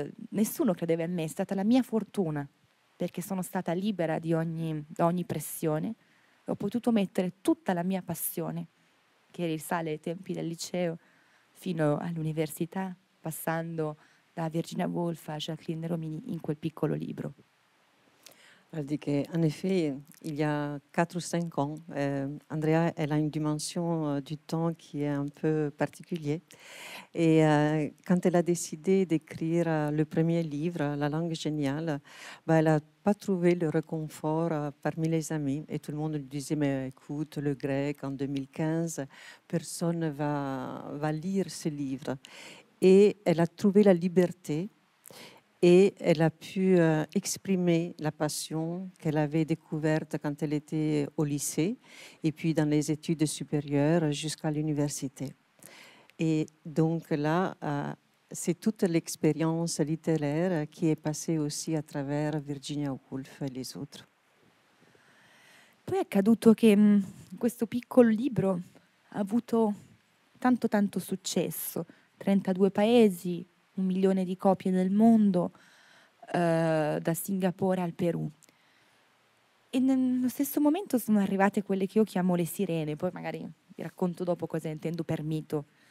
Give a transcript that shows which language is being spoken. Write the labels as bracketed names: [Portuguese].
[Italian] Nessuno credeva in me, è stata la mia fortuna, perché sono stata libera di ogni pressione. Ho potuto mettere tutta la mia passione, che risale ai tempi del liceo fino all'università, passando da Virginia Woolf a Jacqueline Romini in quel piccolo libro. [French] Elle dit que, en effet, il y a 4 ou 5 ans, Andrea, elle a une dimension du temps qui est un peu particulière. Et quand elle a décidé d'écrire le premier livre, La langue géniale, bah, elle n'a pas trouvé le réconfort parmi les amis. Et tout le monde lui disait, mais écoute, le grec en 2015, personne ne va lire ce livre. Et elle a trouvé la liberté. Et elle a pu exprimer la passion qu'elle avait découverte quand elle était au lycée et puis dans les études supérieures jusqu'à l'université. Et donc là, c'est toute l'expérience littéraire qui est passée aussi à travers Virginia Woolf et les autres. [Italian] poi è accaduto che questo piccolo libro ha avuto tanto tanto successo, 32 paesi, 1 milione di copie nel mondo, da Singapore al Perù. E nello stesso momento sono arrivate quelle che io chiamo le sirene, poi magari vi racconto dopo cosa intendo per mito.